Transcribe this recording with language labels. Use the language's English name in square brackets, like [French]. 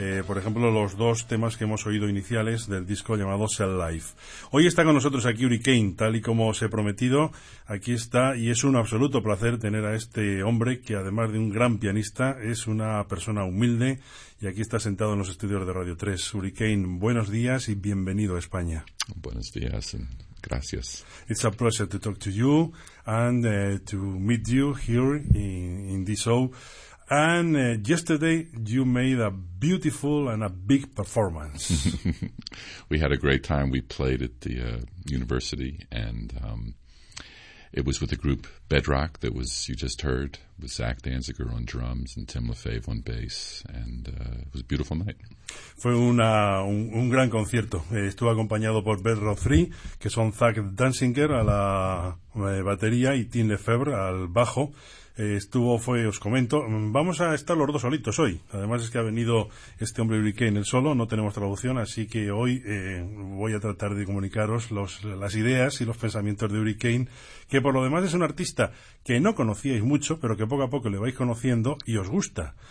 [Spanish] Por ejemplo, los dos temas que hemos oído iniciales del disco llamado Cell Life. Hoy está con nosotros aquí Hurricane, tal y como os he prometido. Aquí está y es un absoluto placer tener a este hombre que, además de un gran pianista, es una persona humilde. Y aquí está sentado en los estudios de Radio 3. Hurricane, buenos días y bienvenido a España. Buenos días, gracias. [English] It's a pleasure to talk to you and to meet you here in this show. And yesterday you made a beautiful and a big performance. We had a great time. We played at the university and it was with the group Bedrock that was, you just heard, with Zach Danziger on drums and Tim Lefebvre on bass, and it was a beautiful night. [Spanish] Fue un gran concierto. Estuvo acompañado por Bedrock 3, que son Zach Danziger a la batería y Tim Lefebvre al bajo. Os comento, vamos a estar los dos solitos hoy. Además es que ha venido este hombre Hurricane el solo, no tenemos traducción, así que hoy voy a tratar de comunicaros las ideas y los pensamientos de Hurricane, que por lo demás es un artista que no conocíais mucho, pero que poco a poco le vais conociendo y os gusta.